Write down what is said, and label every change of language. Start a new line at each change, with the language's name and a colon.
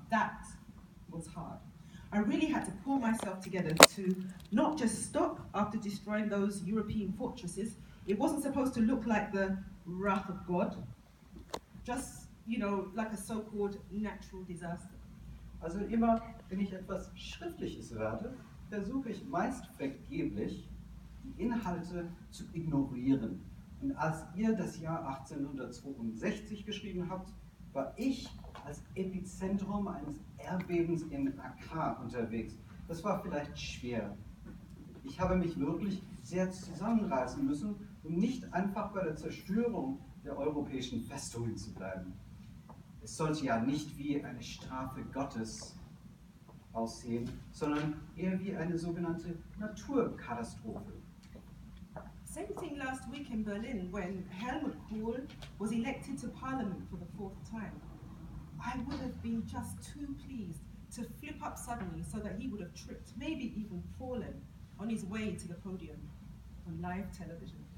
English: That was hard. I really had to pull myself together to not just stop after destroying those European fortresses, It wasn't supposed to look like the wrath of God, just, you know, like a so-called natural disaster.
German: Also immer, wenn ich etwas Schriftliches werde, versuche ich meist vergeblich, die Inhalte zu ignorieren. Und als ihr das Jahr 1862 geschrieben habt, war ich als Epizentrum eines Erdbebens in Accra unterwegs. Das war vielleicht schwer. Ich habe mich wirklich sehr zusammenreißen müssen, um nicht einfach bei der Zerstörung der europäischen Festungen zu bleiben. Es sollte ja nicht wie eine Strafe Gottes aussehen, sondern eher wie eine sogenannte Naturkatastrophe.
English: Same thing last week in Berlin, when Helmut Kohl was elected to Parliament for the fourth time. I would have been just too pleased to flip up suddenly so that he would have tripped, maybe even fallen, on his way to the podium on live television.